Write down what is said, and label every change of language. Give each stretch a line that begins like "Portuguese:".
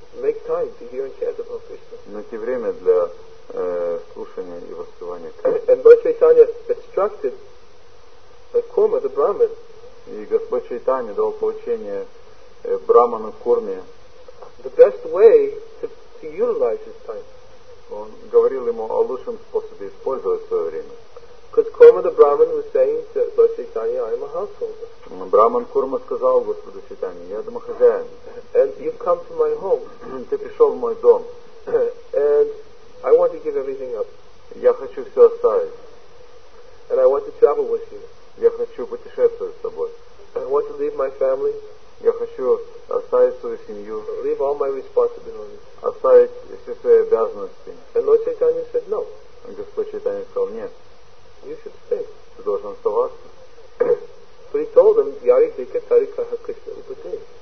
English: Make time to hear and chant about Krishna.
Russian: Найти время для слушания и воспевания.
English: And Lord Chaitanya instructed Kurma, the Brahmin.
Russian: И Господь Чайтанья дал поучение Брахману Курме.
English: The best way to utilize his time.
Russian: Он говорил ему о лучшем способе использовать свое время.
English: Because Kurma the Brahmin was saying to Lord Chaitanya, I am a householder.
Russian: Brahman Kurma сказал Господу Чайтанье, я домохозяин.
English: And you've come to my home.
Russian: Ты пришел в мой дом.
English: And I want to give everything up.
Russian: Я хочу все оставить.
English: And I want to travel with you.
Russian: Я хочу путешествовать с тобой.
English: I want to leave my family.
Russian: Я хочу оставить свою семью.
English: Leave all my responsibilities.
Russian: Оставить все свои обязанности.
English: And Lord Chaitanya said no.
Russian: Господь Чайтанье сказал нет.
English: You should stay.
Russian: Ты должен оставаться.
English: But he told them,
Sanskrit: Yari Dika Tarikaha Krishna Upate.